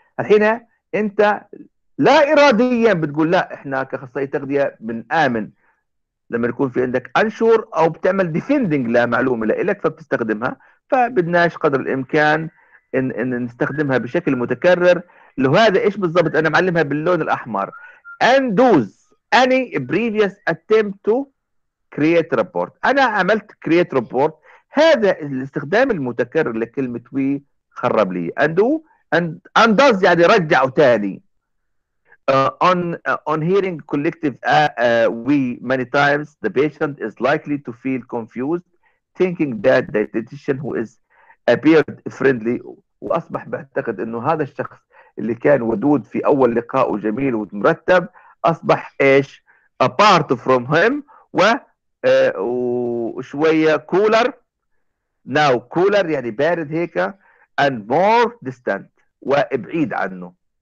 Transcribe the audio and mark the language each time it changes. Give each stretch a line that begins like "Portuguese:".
Arabic: الحين انت لا اراديا بتقول لا، احنا كخصائي تغذية بنآمن لما يكون في عندك انشور او بتعمل ديفندنج لمعلومة لك فبتستخدمها، فبدناش قدر الامكان ان نستخدمها بشكل متكرر. لهذا ايش بالضبط انا معلمها باللون الاحمر،
English: Undoes any previous attempt to create report.
Arabic: انا عملت
English: create report،
Arabic: هذا الاستخدام المتكرر لكلمة وي خرب لي. اندو اندوز يعني رجع تاني.
English: On hearing collective we many times the patient is likely to feel confused thinking that the dietitian who is appeared friendly.
Arabic: واصبح بعتقد انه هذا الشخص اللي كان ودود في اول لقاء وجميل ومرتب اصبح ايش
English: apart from him
Arabic: وشويه
English: cooler now cooler
Arabic: يعني بارد هيك
English: and more distant
Arabic: وابعيد عنه.